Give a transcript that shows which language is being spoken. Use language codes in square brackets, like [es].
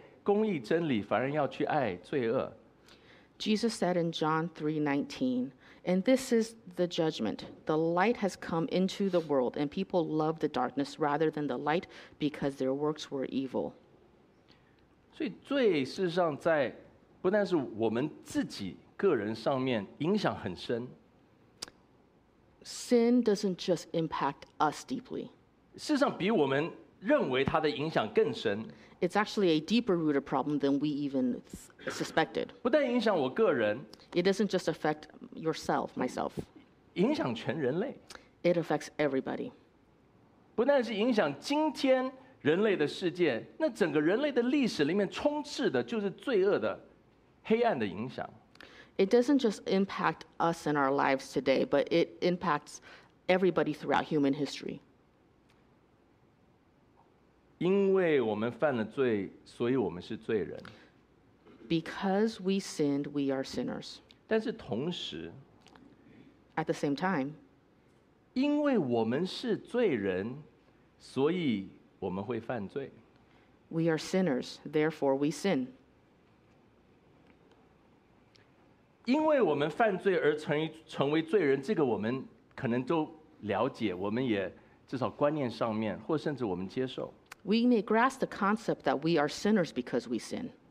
[zh] 耶稣在约翰福音3章19节，他这样说：“光就是讲到自己，光来到世界上，但是世人却因为自己的行为邪恶，不会去爱那个光，反而要去爱那黑暗，不去爱公义真理，反而要去爱罪恶。” [en] Jesus said in John 3:19, and this is the judgment. The light has come into the world, and people love the darkness rather than the light because their works were evil. [zh] 所以罪事实上在不但是我们自己个人上面影响很深。 [en] Sin doesn't just impact us deeply. [zh] 事实上比我们认为它的影响更深。 [en] It's actually a deeper rooted problem than we even suspected. [zh] 不但影响我个人, [en] it doesn't just affect yourself, myself. [zh] 影响全人类, [en] it affects everybody. [zh] 不但是影响今天人类的世界, 那整个人类的历史里面充斥的就是罪恶的黑暗的影响。 [en] It doesn't just impact us in our lives today, but it impacts everybody throughout human history. [zh] 因为我们犯了罪，所以我们是罪人。 [en] Because we sinned, we are sinners. [zh] 但是同时， [en] at the same time, [zh] 因为我们是罪人，所以我们会犯罪。 [en] We are sinners, therefore we sin. [zh] 因为我们犯罪而成为罪人，这个我们可能都了解，我们也至少观念上面，或甚至我们接受。 [en] We may grasp the concept that we are sinners because we sin.